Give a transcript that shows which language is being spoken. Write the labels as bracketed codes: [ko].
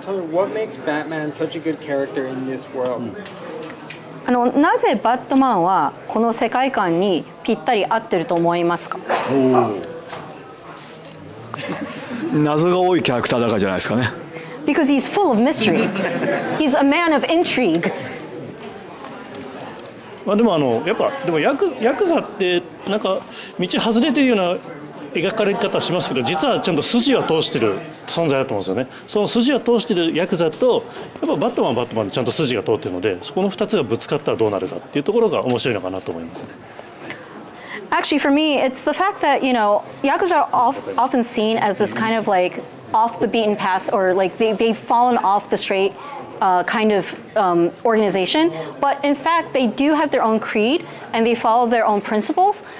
[en] Tell me, what makes Batman such a good character in this world? [ja] あの、なぜバットマンはこの世界観にぴったり合ってると思いますか？謎が多いキャラクターだからじゃないですかね。 [en] Because he's full of mystery. He's a man of intrigue. [ja] まあでもあのやっぱでもヤクザってなんか道外れてるような描かれ方しますけど、実はちゃんと筋は通してる存在だと思うんですよね。その筋は通してるヤクザとやっぱバットマンはバットマンでちゃんと筋が通ってるので、そこの2つがぶつかったらどうなるかっていうところが面白いのかなと思いますね。 [en] Actually, for me, it's the fact that, you know, Yakuza are often seen as this kind of like off the beaten path, or like they've fallen off the straight kind of organization. But in fact, they do have their own creed and they follow their own principles.